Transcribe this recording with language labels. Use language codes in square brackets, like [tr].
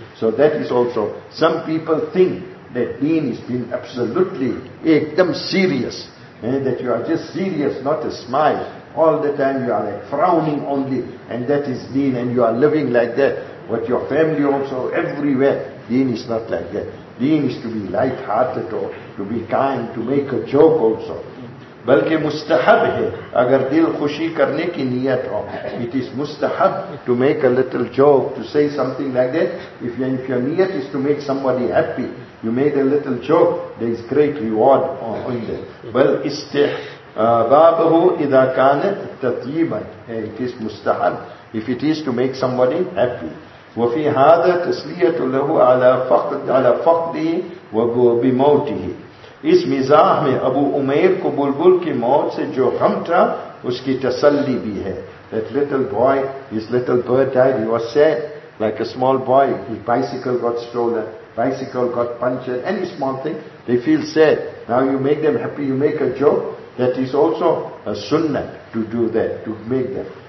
[en] So that is also, some people think that deen is being absolutely ekdam serious, that you are just serious, not a smile. All the time you are like frowning only, and that is deen, and you are living like that. But your family also, everywhere, deen is not like that. Deen is to be light-hearted, or to be kind, to make a joke also. [ur] بلکہ مستحب ہے اگر دل خوشی کرنے کی نیت ہو. [en] It is mustahab to make a little joke, to say something like that. If your niyat is to make somebody happy, you made a little joke, there is great reward on that. [ar] بل استحبابه اذا كانت تطيبا. [en] It is mustahab if it is to make somebody happy. [ar] وفي هذا تسلية له على فقد على فقده وبموته. [ur] اس مزاح میں ابو عمیر کو بلبل کی موت سے جو غم تھا اس کی تسلی بھی ہے. [en] That little boy, his little bird died, he was sad. Like a small boy, his bicycle got stolen, bicycle got punctured, any small thing, they feel sad. Now you make them happy, you make a joke, that is also a sunnah to do that, to make them.